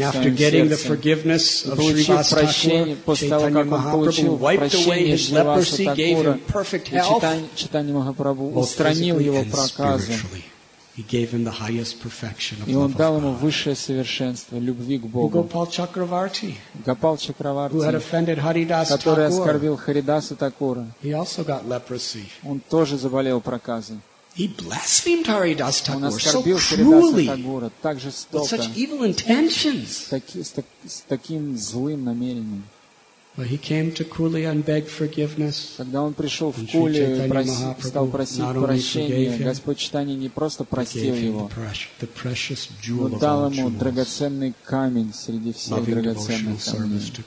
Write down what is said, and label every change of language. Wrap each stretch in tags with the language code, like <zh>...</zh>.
<en>And after getting the forgiveness of Sri Vasa Thakura, Chaitanya Mahaprabhu wiped away his leprosy, gave him perfect health.</en> <ru>Chaitanya Mahaprabhu устранил его проказы.</ru> <en>He gave him the highest perfection of love.</en> <ru>И он дал ему высшее совершенство любви к Богу.</ru> <en>Gopal Chakravarti.</en> <ru>Gopal Chakravarti.</ru> <en>Who had offended Haridasa Thakura.</en> <ru>Который оскорбил Харидаса Такура.</ru> <en>He also got leprosy.</en> <ru>Он тоже заболел проказой.</ru> <en>He blasphemed Haridasa Thakura.</en> <ru>Он оскорбил Харидаса Такура так жестоко.</ru> <en>With such evil intentions.</en> <ru>С таким злым намерением.</ru> <en>But he came to Kuli and begged forgiveness.</en> <ru>Когда он пришел в Кули и стал просить прощения, Господь Чайтанья не просто простил его, но дал ему драгоценный камень среди всех драгоценных камней.</ru>